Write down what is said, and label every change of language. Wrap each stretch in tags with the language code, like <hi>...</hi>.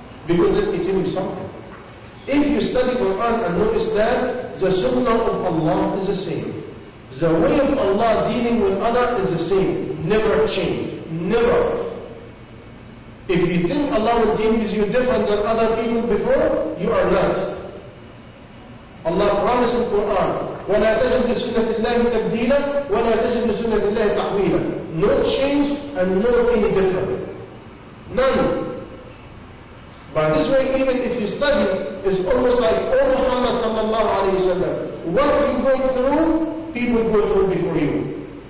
<en>Because let me tell you something. If you study Quran and know Islam, the sunnah of Allah is the same. The way of Allah dealing with others is the same. Never change. Never. If you think Allah will deal with you different than other people before, you are nuts. Allah promised in Quran,</en> <ar>وَلَا تَجِدْ لِسُنَّةِ اللَّهِ تَبْدِيلًا وَلَا تَجِدْ لِسُنَّةِ اللَّهِ تَحْوِيلًا.</ar> <en>No change and no any different. None. By this way, even if you study, it's almost like, O Muhammad sallallahu alayhi wa sallam, what you go through, people go through before you.</en>